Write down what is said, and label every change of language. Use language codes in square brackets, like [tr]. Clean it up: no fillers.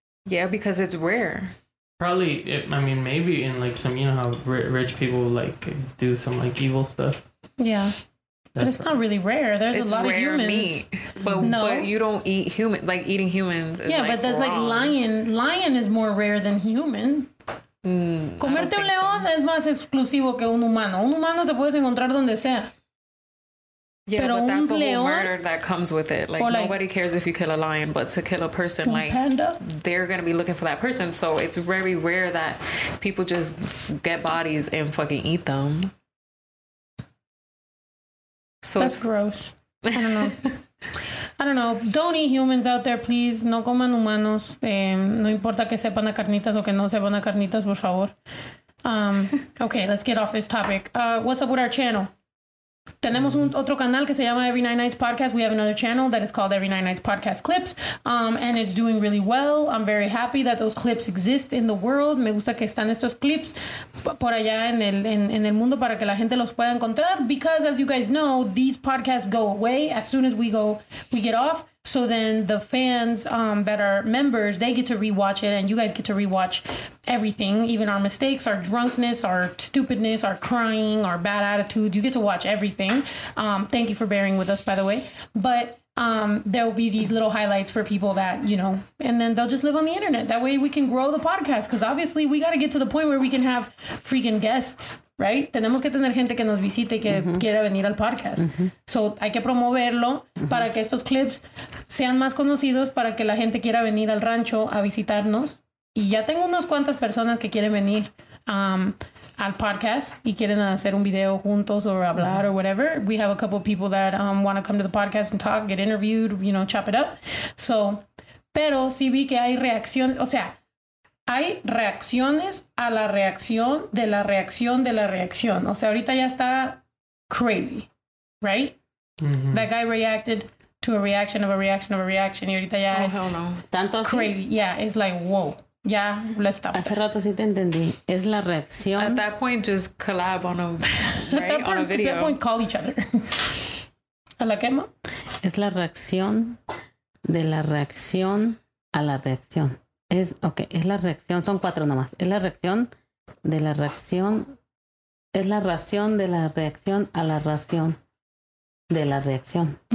[en] Yeah, because it's rare. Probably, maybe in like some, you know how rich people like do some like evil stuff. Yeah. That's, but it's not really rare. There's a lot of humans. Meat, but, no, but you don't eat human, like eating humans. Is, yeah, like, but there's wrong. Like lion. Lion is more rare than human. [es] Comerte un león es más exclusivo que un humano. Un humano te puedes encontrar donde sea. [en] Yeah, pero but that's a whole murder that comes with it. Like, nobody cares if you kill a lion, but to kill a person, like, panda? They're going to be looking for that person. So it's very rare that people just get bodies and fucking eat them. So that's gross. I don't know. Don't eat humans out there, please. [es] No coman humanos. No importa que sepan a carnitas o que no sepan a carnitas, por favor. [en] Okay, let's get off this topic. What's up with our channel? [es] Tenemos otro canal que se llama Every Nine Nights Podcast. [en] We have another channel that is called Every Nine Nights Podcast Clips. And it's doing really well. I'm very happy that those clips exist in the world. [es] Me gusta que están estos clips por allá en el mundo para que la gente los pueda encontrar. [en] Because, as you guys know, these podcasts go away as soon as we get off. So then the fans that are members, they get to rewatch it, and you guys get to rewatch everything, even our mistakes, our drunkenness, our stupidness, our crying, our bad attitude. You get to watch everything. Thank you for bearing with us, by the way. But there will be these little highlights for people that, you know, and then they'll just live on the internet. That way we can grow the podcast, because obviously we got to get to the point where we can have freaking guests. Right? [es] Tenemos que tener gente que nos visite y que quiera venir al podcast. So, hay que promoverlo para que estos clips sean más conocidos, para que la gente quiera venir al rancho a visitarnos. Y ya tengo unas cuantas personas que quieren venir al podcast y quieren hacer un video juntos o hablar or whatever. [en] We have a couple of people that want to come to the podcast and talk, get interviewed, you know, chop it up. [es] So, pero sí vi que hay reacción, o sea, hay reacciones a la reacción de la reacción de la reacción. O sea, ahorita ya está crazy, right? Mm-hmm. [en] That guy reacted to a reaction of a reaction of a reaction. [es] Y ahorita ya es tanto así, [en] crazy. Yeah, it's like, whoa. Ya, let's stop. [es] Hace rato sí te entendí. Es la reacción. [en] At that point, just collab on a, right? At on a video. At that point, call each other. [es] ¿A la quema? Es la reacción de la reacción a la reacción. Es, okay, es la reacción, son cuatro nomás. Es la reacción de la reacción. Es la ración de la reacción a la ración de la reacción.